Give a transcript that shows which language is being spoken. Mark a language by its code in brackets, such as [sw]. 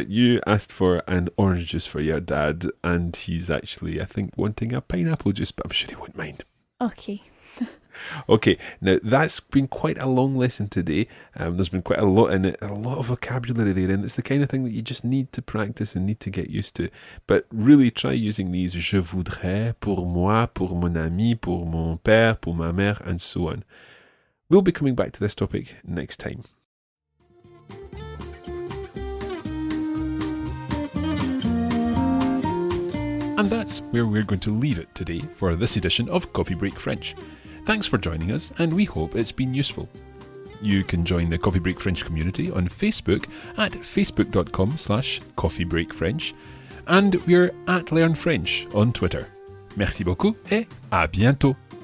[en] You asked for an orange juice for your dad, and he's actually, I think, wanting a pineapple juice, but I'm sure he wouldn't mind. Okay. Okay, now that's been quite a long lesson today. There's been quite a lot in it, a lot of vocabulary there, and it's the kind of thing that you just need to practice and need to get used to. But really try using these je voudrais, pour moi, pour mon ami, pour mon père, pour ma mère, and so on. We'll be coming back to this topic next time. And that's where we're going to leave it today for this edition of Coffee Break French. Thanks for joining us, and we hope it's been useful. You can join the Coffee Break French community on Facebook at facebook.com/coffeebreakfrench, and we're at Learn French on Twitter. [fr] Merci beaucoup et à bientôt!